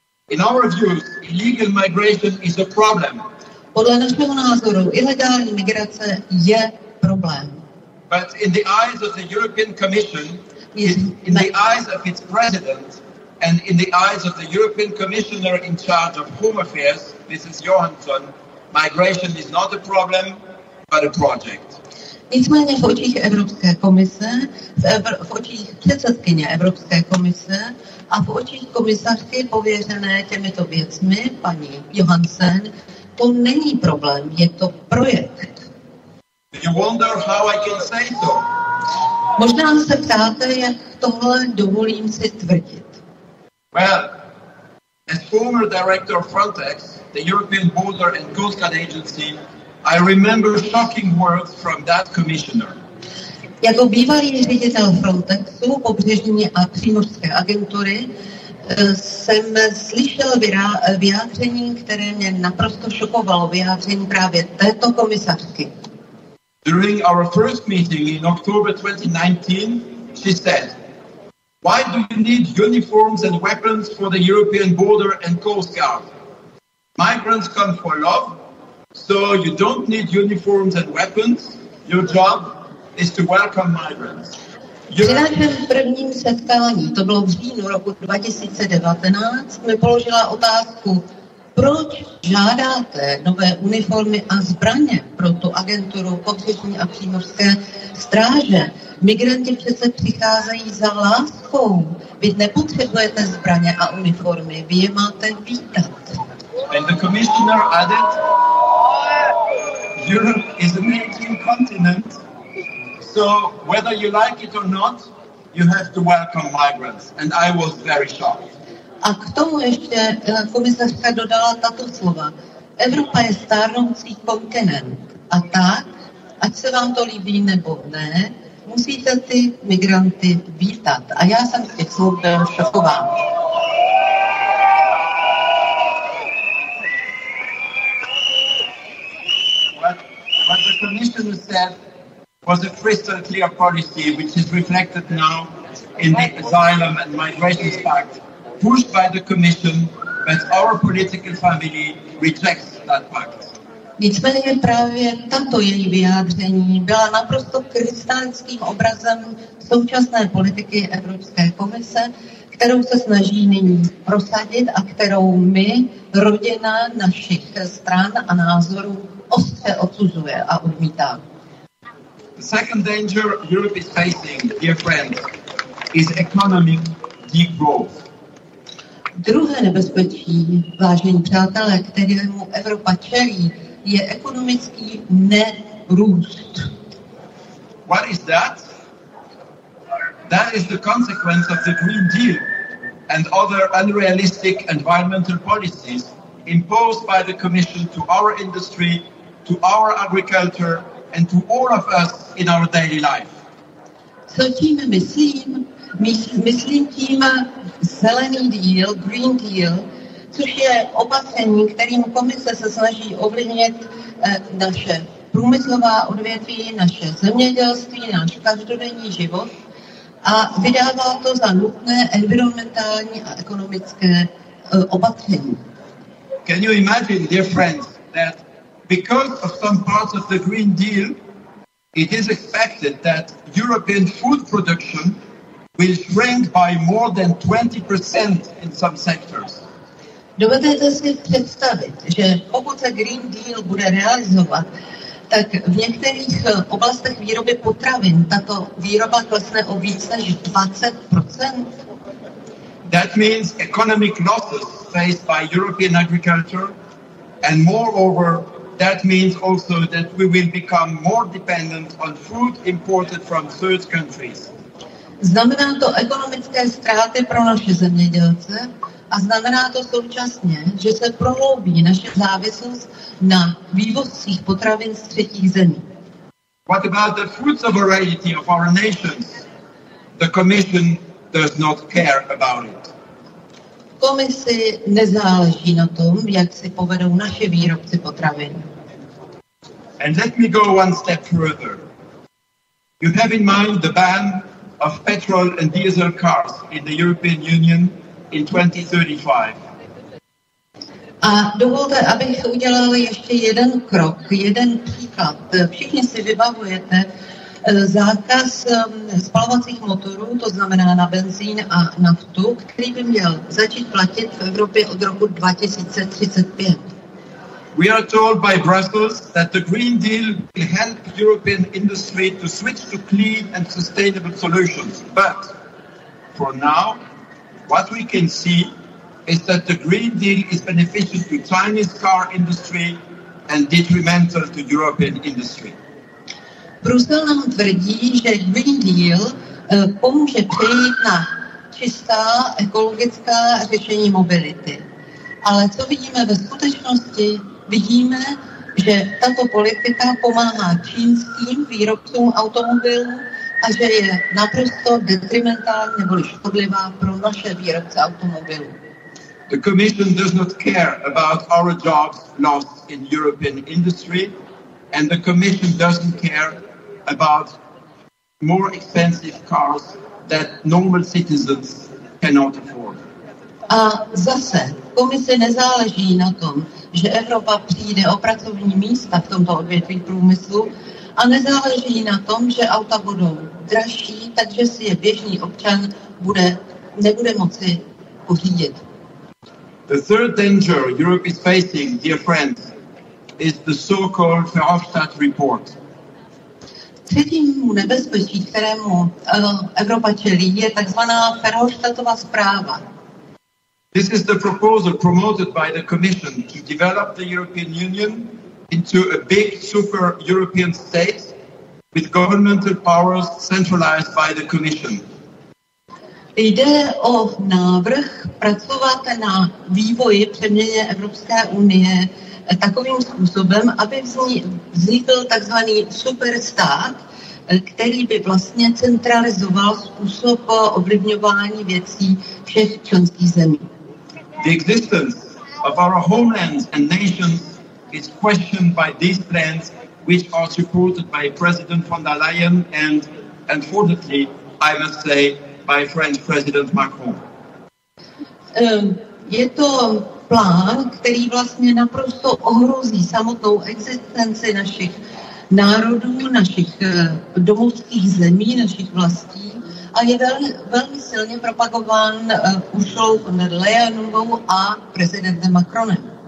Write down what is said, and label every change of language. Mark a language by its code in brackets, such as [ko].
[en] In our views, illegal migration is a problem. [cs] Podle našeho názoru, ilegální migrace je problém. [en] But in the eyes of the European Commission, in the eyes of its president, and in the eyes of the European Commissioner in charge of Home Affairs, Mrs. Johansson, migration is not a problem, but a project. [cs] Nicméně v očích Evropské komise, v očích předsedkyně Evropské komise a v očích komisařky pověřené těmito věcmi, paní Johansson, to není problém, je to projekt. [en] You wonder how I can say so. [cs] Možná se ptáte, jak tohle dovolím si tvrdit. [en] Well, as former director of Frontex, the European Border and Coast Guard Agency, I remember shocking words from that commissioner. [cs] Jako bývalý ředitel Frontexu, pobřežní a přímořské agentury, jsem slyšel vyjádření, které mě naprosto šokovalo, vyjádření právě této komisařky. [en] During our first meeting in October 2019, she said, "Why do you need uniforms and weapons for the European Border and Coast Guard? Migrants come for love. So you don't need uniforms and weapons. Your job is to welcome migrants." [cs] Při našem prvním setkání, to bylo v říjnu roku 2019, mi položila otázku, proč žádáte nové uniformy a zbraně pro tu agenturu pobřežní a přímořské stráže? Migranti přece přicházejí za láskou. Vy nepotřebujete zbraně a uniformy, vy je máte vítat. [en] And the commissioner added, Europe is a European continent, so whether you like it or not, you have to welcome migrants. And I was very shocked. [cs] A k tomu ještě komisařka dodala tato slova. Evropa je stárnoucí kontinent. A tak, ať se vám to líbí nebo ne, musíte ty migranty vítat. A já jsem z těch slov byl šokován. [en] Was a crystal clear policy which is reflected now in the asylum and migration pact pushed by the Commission, but our political family rejects that pact. [cs] Nicméně právě tato její vyjádření byla naprosto krystalickým obrazem současné politiky Evropské komise, kterou se snaží nyní prosadit a kterou my, rodina našich stran a názorů, ostře odsuzuje a odmítá. [en] The second danger Europe is facing, dear friends, is economic degrowth. [cs] Druhé nebezpečí, vážení přátelé, kterému Evropa čelí, je ekonomický nerůst. [en] What is that? That is the consequence of the Green Deal and other unrealistic environmental policies imposed by the Commission to our industry, to our agriculture, and to all of us in our daily life. [cs] Co tím myslím? Myslím tím zelený deal, Green Deal, což je opatření, kterým komise se snaží ovlivnit naše průmyslová odvětví, naše zemědělství, náš každodenní život a vydává to za nutné environmentální a ekonomické opatření. [en] Can you imagine, dear friends, that because of some parts of the Green Deal, it is expected that European food production will shrink by more than 20% in some sectors. [cs] Dovedete si představit, že pokud se Green Deal bude realizovat, tak v některých oblastech výroby potravin tato výroba klesne o více než 20%. [en] That means economic losses faced by European agriculture, and moreover, that means also that we will become more dependent on food imported from third countries. [cs] Znamená to ekonomické ztráty pro naše zemědělce a znamená to současně, že se prohloubí naše závislost na vývozcích potravin z třetích zemí. [en] What about the food sovereignty of our nation? The Commission does not care about it. [cs] Komisi nezáleží na tom, jak si povedou naše výrobci potravin. [en] And let me go one step further. You have in mind the ban of petrol and diesel cars in the European Union in 2035. [cs] A dovolte, abych udělal ještě jeden krok, jeden příklad. Všichni si vybavujete zákaz spalovacích motorů, to znamená na benzín a naftu, který by měl začít platit v Evropě od roku 2035. [en] We are told by Brussels that the Green Deal will help European industry to switch to clean and sustainable solutions. But for now, what we can see is that the Green Deal is beneficial to Chinese car industry and detrimental to European industry. [cs] Brusel nám tvrdí, že Green Deal pomůže přejít na čistá ekologická řešení mobility. Ale co vidíme ve skutečnosti? Vidíme, že tato politika pomáhá čínským výrobcům automobilů a že je naprosto detrimentální nebo škodlivá pro naše výrobce automobilů. [en] The Commission does not care about our jobs lost in European industry and the Commission doesn't care about more expensive cars that normal citizens cannot afford. [cs] A zase, komise nezáleží na tom, že Evropa přijde o pracovní místa v tomto odvětví průmyslu a nezáleží na tom, že auta budou dražší, takže si je běžný občan nebude moci pořídit. [en] The third danger Europe is facing, dear friends, is the so-called Verhofstadt report. [cs] Třetímu nebezpečí, kterému Evropa čelí, je takzvaná Verhofstadtova zpráva. [en] This is the proposal promoted by the Commission to develop the European Union into a big super European state with governmental powers centralized by the Commission. [cs] Jde o návrh pracovat na vývoji přeměně Evropské unie takovým způsobem, aby vznikl takzvaný superstát, který by vlastně centralizoval způsob ovlivňování věcí všech členských zemí. [en] The existence of our homelands and nations is questioned by these plans, which are supported by President von der Leyen and, unfortunately, I must say, by French President Macron. [cs] Je to plán, který vlastně naprosto ohrozí samotnou existenci našich národů, našich domovských zemí, našich vlastí. A je velmi silně propagován Ursulou von der Leyenovou a prezidentem Macronem.